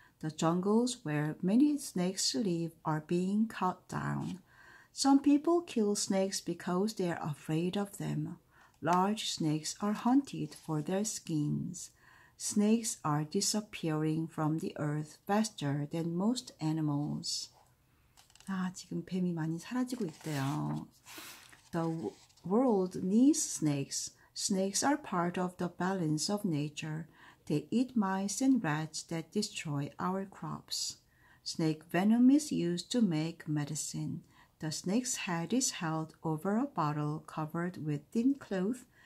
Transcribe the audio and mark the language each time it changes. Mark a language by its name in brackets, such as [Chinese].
[English] The jungles where many snakes live are being cut down. Some people kill snakes because they are afraid of them. Large snakes are hunted for their skins. Snakes are disappearing from the earth faster than most animals. [Korean] 아, 지금 뱀이 많이 사라지고 있대요. [English] The world needs snakes. Snakes are part of the balance of nature. They eat mice and rats that destroy our crops. Snake venom is used to make medicine. The snake's head is held over a bottle covered with thin cloth.